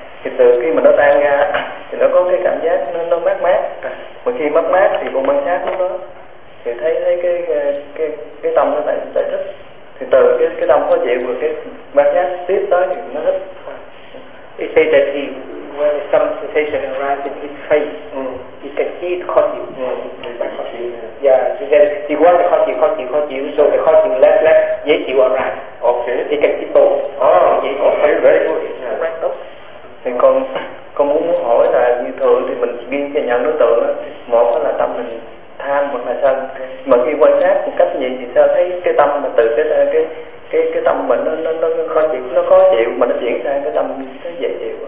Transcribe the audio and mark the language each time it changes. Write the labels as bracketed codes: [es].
[vi] Thì từ khi mà nó tan ra thì nó có cái cảm giác nó mát mát. Mà khi mát mát thì bộ quan sát nó thì thấy cái tâm nó lại thích. Thì từ cái tâm khó chịu rồi cái quan sát tiếp tới thì nó thích. [en] He said that he, when some sensation arrives in his face, he can see it [vi] khó chịu. [en] Yeah, he said he wants the [vi] khó chịu, [en] so the khó chịu less, [vi] dễ chịu [en] arrive. Okay. He can see both. Oh, okay, very good. [vi] Thì con muốn hỏi là như thường thì mình ghi cho nhận đối tượng đó. Một là tâm mình tham, một là sân. Mà khi quan sát một cách nhìn thì sao thấy cái tâm mà từ cái tâm mình nó khó chịu mà nó chuyển sang cái tâm nó dễ chịu,